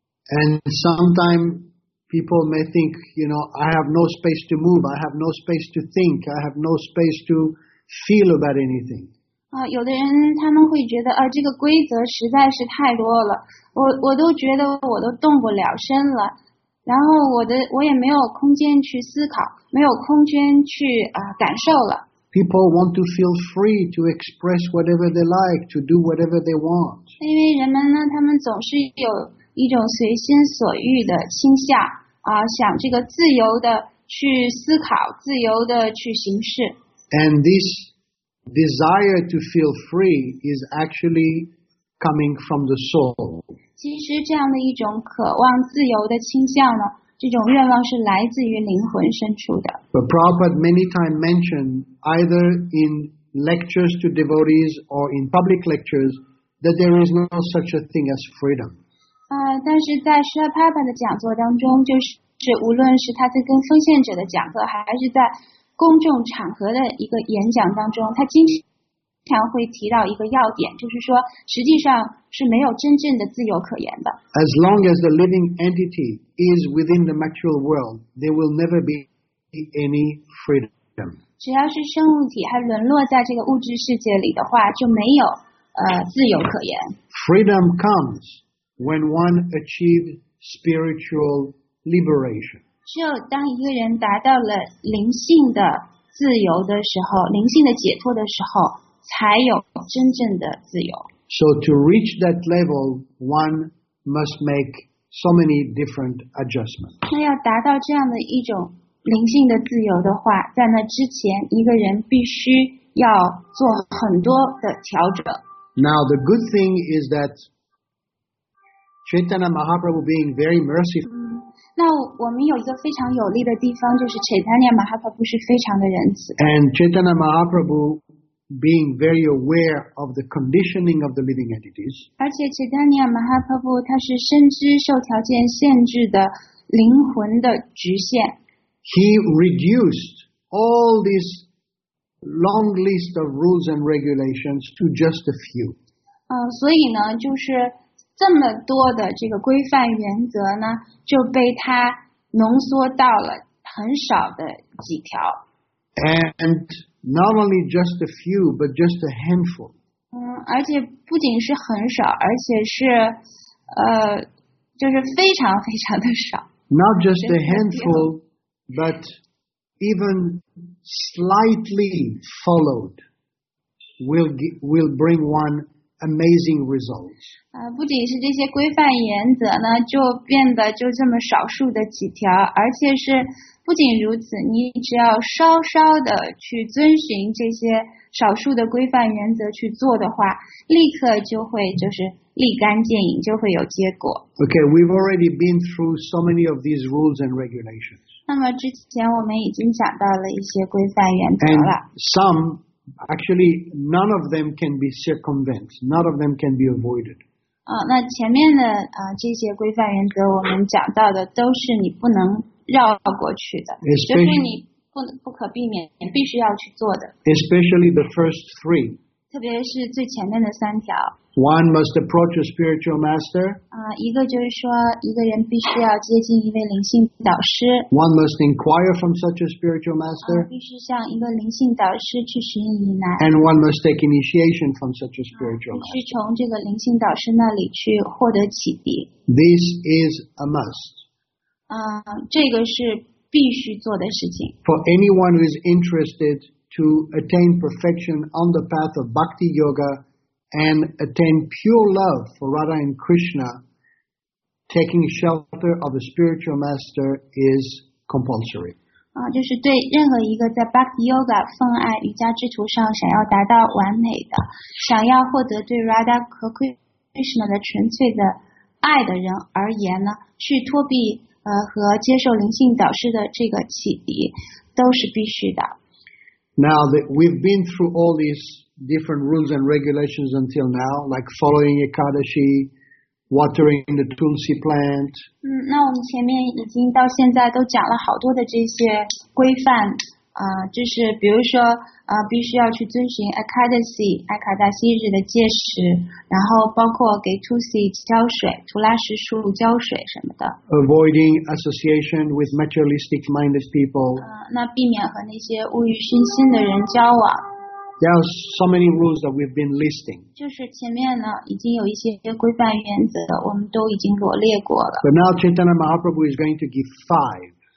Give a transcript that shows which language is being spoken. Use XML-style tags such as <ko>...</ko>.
<en>And sometimes people may think, you know, I have no space to move, I have no space to think, I have no space to feel about anything.</en> <zh>有的人他们会觉得这个规则实在是太多了，我都觉得我都动不了身了，然后我也没有空间去思考，没有空间去感受了。</zh> <en>People want to feel free to express whatever they like, to do whatever they want.</en> <zh>因为人们呢，他们总是有一种随心所欲的倾向，想这个自由的去思考，自由的去行事。</zh> <en>And this desire to feel free is actually coming from the soul.</en> <zh>其实这样的一种渴望自由的倾向呢，这种愿望是来自于灵魂深处的。</zh> <en>But Prabhupada many times mentioned, either in lectures to devotees or in public lectures, that there is no such a thing as freedom.</en> <zh>但是在释迦帕帕的讲座当中，就是无论是他在跟奉献者的讲座，还是在公众场合的一个演讲当中，他经常会提到一个要点，就是说实际上是没有真正的自由可言的。</zh> <en>As long as the living entity is within the material world, there will never be any freedom.</en> <zh>只要是生物体还沦落在这个物质世界里的话，就没有自由可言。</zh> <en>Freedom comes when one achieves spiritual liberation.</en> <zh>只有当一个人达到了灵性的自由的时候，灵性的解脱的时候，才有真正的自由。</zh> <en>So to reach that level, one must make so many different adjustments.</en> <zh>那要达到这样的一种灵性的自由的话，在那之前，一个人必须要做很多的调整。</zh> <en>Now the good thing is that Chaitanya Mahaprabhu being very merciful.</en> <zh>那我们有一个非常有利的地方，就是 Chaitanya Mahaprabhu 是非常的仁慈。</zh> <en>And Chaitanya Mahaprabhu being very aware of the conditioning of the living entities.</en> <zh>而且 Chaitanya Mahaprabhu 他是深知受条件限制的灵魂的局限。</zh> <en>He reduced all these long list of rules and regulations to just a few.</en> <zh>所以呢就是这么多的这个规范原则呢就被他浓缩到了很少的几条。</zh> <en>And not only just a few, but just a handful.</en> <zh>而且不仅是很少，而且是，就是非常非常的少。</zh> <en>Not just a handful, but even slightly followed will bring one amazing results.</en> <zh>不仅是这些规范原则呢，就变得就这么少数的几条，而且是不仅如此，你只要稍稍的去遵循这些少数的规范原则去做的话，立刻就会就是立竿见影，就会有结果。</zh> <en>Okay, we've already been through so many of these rules and regulations.</en> <zh>那么之前我们已经讲到了一些规范原则了。</zh> <en>And some, actually, none of them can be circumvented. None of them can be avoided.</en> <zh>那前面的这些规范原则我们讲到的都是你不能绕过去的，就是你不可避免必须要去做的。</zh> <en>Especially the first three.</en> <zh>特别是最前面的三条。</zh> <en>One must approach a spiritual master.</en> <zh>一个就是说一个人必须要接近一位灵性导师。</zh> <en>One must inquire from such a spiritual master.</en> <zh>必须向一个灵性导师去寻引来。</zh> <en>And one must take initiation from such a spiritual master.</en> <zh>必须从这个灵性导师那里去获得启迪。</zh> <en>This is a must.</en> <zh>这个是必须做的事情。</zh> <en>For anyone who is interested to attain perfection on the path of bhakti yoga,and attain pure love for Radha and Krishna, taking shelter of a spiritual master is compulsory.</en> <zh>就是对任何一个在 Bhakti Yoga 奉爱瑜伽之途上想要达到完美的，想要获得对 Radha 和 Krishna 的纯粹的爱的人而言呢，去托庇和接受灵性导师的这个启迪都是必须的。</zh> <en>Now that we've been through all these different rules and regulations until now, like following Ekadashi, watering the tulsi plant.</en> <zh>那我们前面已经到现在都讲了好多的这些规范，就是比如说，必须要去遵循 Ekadashi, 艾卡达西日的戒食，然后包括给 tulsi 浇水，图拉石树浇水什么的。</zh> <en>Avoiding association with materialistic minded people.</en> <zh>那避免和那些物欲熏心的人交往。</zh> <en>There are so many rules that we've been listing.</en> <zh>就是前面呢，已经有一些规范原则，我们都已经罗列过了。</zh> <en>But now Chaitanya Mahaprabhu is going to give five.</en>